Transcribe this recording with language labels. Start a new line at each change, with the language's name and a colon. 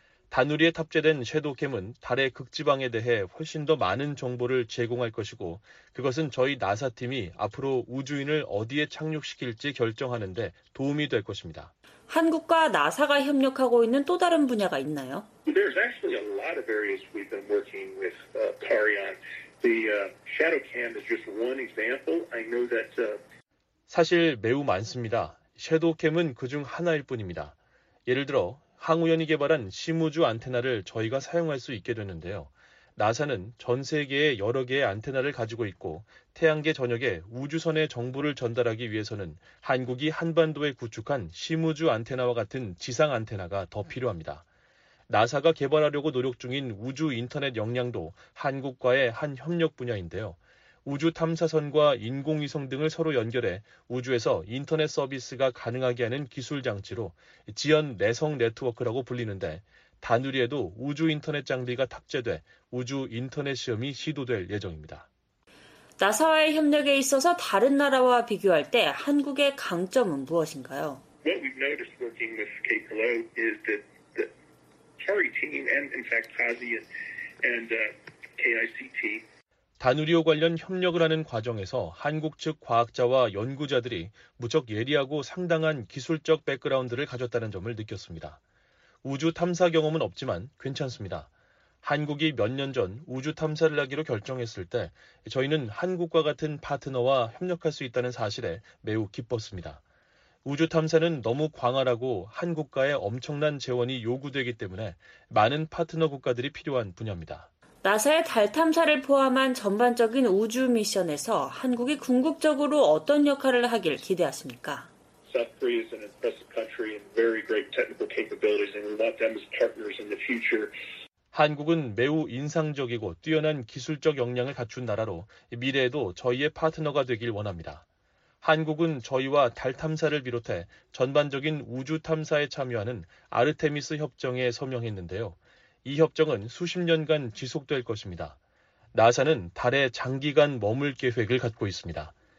Korean: 다누리에 탑재된 섀도캠은 달의 극지방에 대해 훨씬 더 많은 정보를 제공할 것이고 그것은 저희 나사팀이 앞으로 우주인을 어디에 착륙시킬지 결정하는 데 도움이 될 것입니다. 한국과 나사가 협력하고 있는 또 다른 분야가 있나요?
English: There's actually a lot of areas we've been working with CARI on. The ShadowCam is just one example. I know that
Korean: 사실 매우 많습니다. 섀도캠은 그중 하나일 뿐입니다. 예를 들어 항우연이 개발한 심우주 안테나를 저희가 사용할 수 있게 되는데요. 나사는 전 세계에 여러 개의 안테나를 가지고 있고 태양계 전역에 우주선의 정보를 전달하기 위해서는 한국이 한반도에 구축한 심우주 안테나와 같은 지상 안테나가 더 필요합니다. 나사가 개발하려고 노력 중인 우주 인터넷 역량도 한국과의 한 협력 분야인데요. 우주 탐사선과 인공위성 등을 서로 연결해 우주에서 인터넷 서비스가 가능하게 하는 기술 장치로 지연 내성 네트워크라고 불리는데 다누리에도 우주 인터넷 장비가 탑재돼 우주 인터넷 시험이 시도될 예정입니다. 나사와의 협력에 있어서 다른 나라와 비교할 때 한국의 강점은 무엇인가요?
English: What we've noticed working with Kekula is that the CARI team and in fact CASI and KICT
Korean: 다누리호 관련 협력을 하는 과정에서 한국 측 과학자와 연구자들이 무척 예리하고 상당한 기술적 백그라운드를 가졌다는 점을 느꼈습니다. 우주 탐사 경험은 없지만 괜찮습니다. 한국이 몇 년 전 우주 탐사를 하기로 결정했을 때 저희는 한국과 같은 파트너와 협력할 수 있다는 사실에 매우 기뻤습니다. 우주 탐사는 너무 광활하고 한국과의 엄청난 재원이 요구되기 때문에 많은 파트너 국가들이 필요한 분야입니다. 나사의 달 탐사를 포함한 전반적인 우주 미션에서 한국이 궁극적으로 어떤 역할을 하길 기대하십니까?
English: South Korea is an impressive country and very great technical capabilities and we want them as partners in the future.
Korean: 한국은 매우 인상적이고 뛰어난 기술적 역량을 갖춘 나라로 미래에도 저희의 파트너가 되길 원합니다. 한국은 저희와 달 탐사를 비롯해 전반적인 우주 탐사에 참여하는 아르테미스 협정에 서명했는데요. 이 협정은 수십 년간 지속될 것입니다. 나사는 달에 장기간 머물 계획을 갖고 있습니다.